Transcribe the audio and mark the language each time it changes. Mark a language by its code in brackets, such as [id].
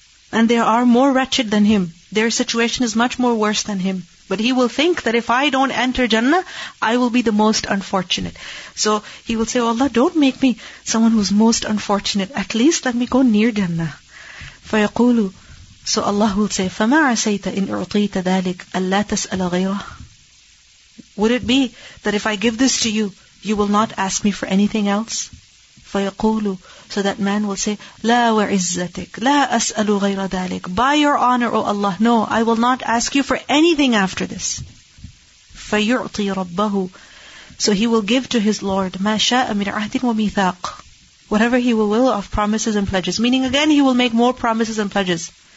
[en] And they are more wretched than him. Their situation is much more worse than him. But he will think that if I don't enter Jannah, I will be the most unfortunate. So he will say, Allah, don't make me someone who's most unfortunate. At least let me go near Jannah. [ar] فَيَقُولُ. [en] So Allah will say, [ar] فَمَا عَسَيْتَ إِنْ أُعْطِيتَ ذَلِكَ أَلَّا تَسْأَلَ غَيْرَهُ. [en] Would it be that if I give this to you, you will not ask me for anything else? [ar] فَيَقُولُ. [en] So that man will say, [ar] لَا وَعِزَّتِكَ لَا أَسْأَلُ غَيْرَ ذَلِكَ. [en] By your honor, O Allah, no, I will not ask you for anything after this. [ar] فَيُعْطِي رَبَّهُ. [en] So he will give to his Lord, [ar] مَا شَاءَ مِنْ عَهْدٍ وَمِيثَاقٍ. [en] Whatever he will of promises and pledges. Meaning again, he will make more promises and pledges.